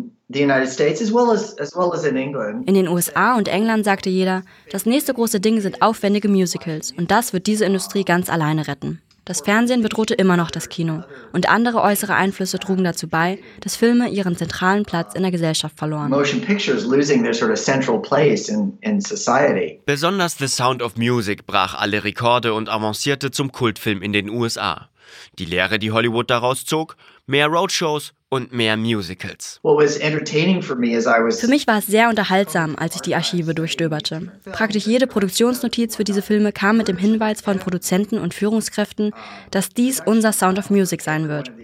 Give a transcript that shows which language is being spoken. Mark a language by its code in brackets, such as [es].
[de] In den USA und England sagte jeder, das nächste große Ding sind aufwendige Musicals und das wird diese Industrie ganz alleine retten. Das Fernsehen bedrohte immer noch das Kino und andere äußere Einflüsse trugen dazu bei, dass Filme ihren zentralen Platz in der Gesellschaft verloren. [en] Motion Pictures losing their sort of central place in society. [de] Besonders The Sound of Music brach alle Rekorde und avancierte zum Kultfilm in den USA. Die Lehre, die Hollywood daraus zog: mehr Roadshows und mehr Musicals. Für mich war es sehr unterhaltsam, als ich die Archive durchstöberte. Praktisch jede Produktionsnotiz für diese Filme kam mit dem Hinweis von Produzenten und Führungskräften, dass dies unser Sound of Music sein wird.